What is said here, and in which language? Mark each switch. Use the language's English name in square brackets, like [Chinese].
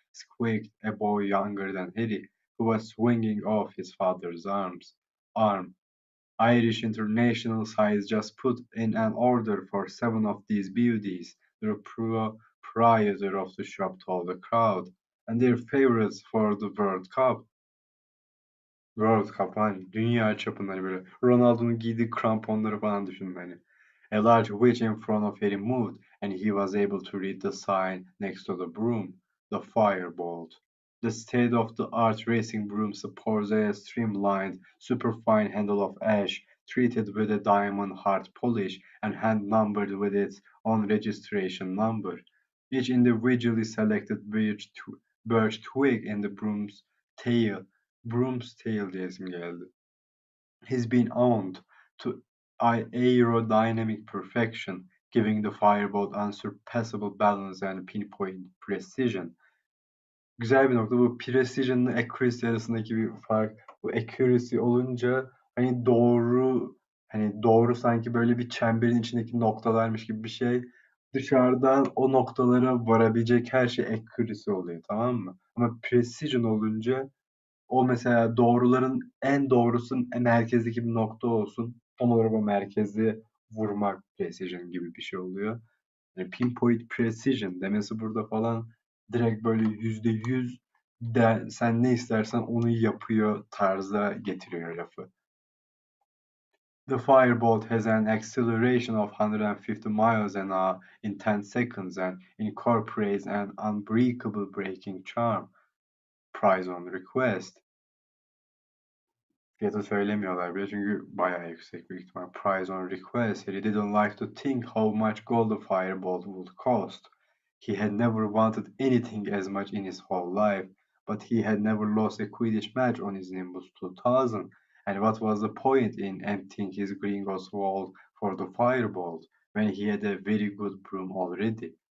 [English] Squeaked a boy younger than Harry, who was swinging off his father's arm. Irish international size just put in an order for seven of these beauties, the proprietor of the shop told the crowd, and they're favorites for the World Cup. [Turkish] World Cup, hani dünya çapında hani böyle Ronaldo'nun giydiği kramponları falan düşündüm hani. [English] A large witch in front of Harry moved and he was able to read the sign next to the broom, the firebolt. The state-of-the-art racing broom supports a streamlined, superfine handle of ash treated with a diamond hard polish and hand numbered with its own registration number. Each individually selected birch twig in the broom's tail [Turkish] diyesim geldi. [English] He's been owned to aerodynamic perfection, giving the firebolt unsurpassable balance and pinpoint precision. [Turkish] Güzel bir nokta bu precision ile accuracy arasındaki bir fark. Bu accuracy olunca hani doğru, hani doğru sanki böyle bir çemberin içindeki noktalarmış gibi bir şey. Dışarıdan o noktalara varabilecek her şey accuracy oluyor, tamam mı? Ama precision olunca o mesela doğruların en doğrusu merkezdeki bir nokta olsun. Tam olarak o merkezi vurmak precision gibi bir şey oluyor. Yani pinpoint precision demesi burada falan direkt böyle %100 de, sen ne istersen onu yapıyor tarza getiriyor lafı. [English] The firebolt has an acceleration of 150 miles an hour in 10 seconds and incorporates an unbreakable breaking charm. Prize on request. [Turkish] Fiyatı söylemiyorlar bile çünkü bayağı yüksek bir ihtimal. [English] Prize on request. He didn't like to think how much gold the firebolt would cost. He had never wanted anything as much in his whole life, but he had never lost a Quidditch match on his Nimbus 2000. And what was the point in emptying his Gringos vault for the firebolt when he had a very good broom already?